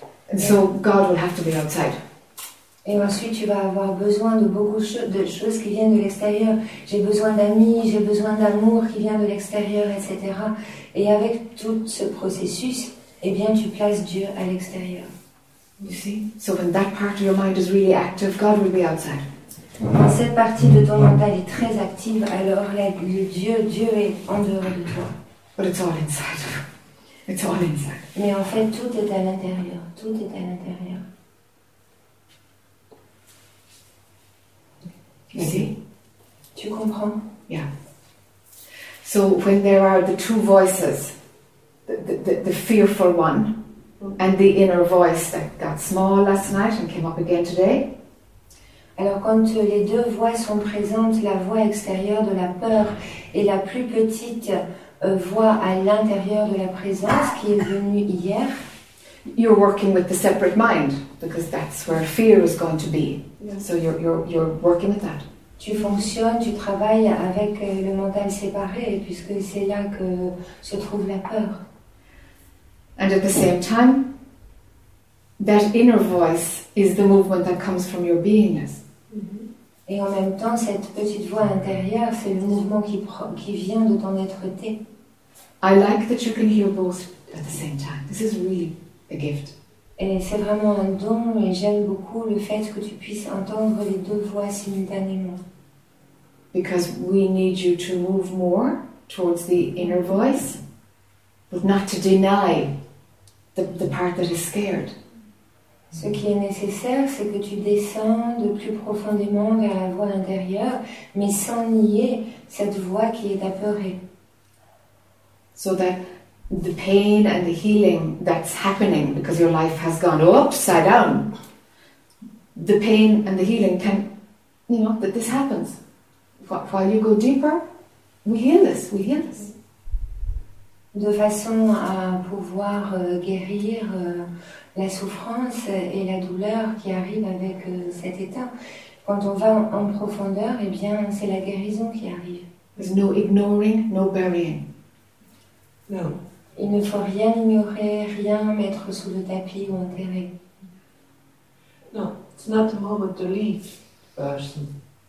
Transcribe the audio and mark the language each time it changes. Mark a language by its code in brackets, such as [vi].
[en] And so God will have to be outside. [fr] Et ensuite, tu vas avoir besoin de beaucoup de choses qui viennent de l'extérieur. J'ai besoin d'amis, j'ai besoin d'amour qui vient de l'extérieur, etc. Et avec tout ce processus, eh bien, tu places Dieu à l'extérieur. [en] You see? So when that part of your mind is really active, God will be outside. [fr] Quand cette partie de ton mental est très active, alors Dieu est en dehors de toi. [en] But it's all inside. It's all inside. [fr] Mais en fait, tout est à l'intérieur. Tout est à l'intérieur. [en] You see? [fr] Tu comprends? [en] Yeah. So when there are the two voices, the fearful one and the inner voice that got small last night and came up again today. [fr] Alors quand les deux voix sont présentes, la voix extérieure de la peur et la plus petite voix à l'intérieur de la présence qui est venue hier. [en] You're working with the separate mind because that's where fear is going to be. Yeah. So you're working with that. [fr] Tu fonctionnes, tu travailles avec le mental séparé puisque c'est là que se trouve la peur. [en] And at the same time, that inner voice is the movement that comes from your beingness. Mm-hmm. [fr] Et en même temps, cette petite voix intérieure, c'est le mouvement qui vient de ton être-té. [en] I like that you can hear both at the same time. This is really a gift. [fr] Et c'est vraiment un don, et j'aime beaucoup le fait que tu puisses entendre les deux voix simultanément. [en] Because we need you to move more towards the inner voice, but not to deny the part that is scared. [fr] Ce qui est nécessaire, c'est que tu descendes plus profondément vers la voix intérieure, mais sans nier cette voix qui est apeurée. [en] So that the pain and the healing that's happening because your life has gone upside down, the pain and the healing can, you know, that this happens. While you go deeper, we heal this. [fr] De façon à pouvoir guérir la souffrance et la douleur qui arrive avec cet état. Quand on va en profondeur, eh bien, c'est la guérison qui arrive. [en] There's no ignoring, no burying. No. [fr] Il ne faut rien ignorer, rien mettre sous le tapis ou enterrer. [en] No, it's not the moment to leave person.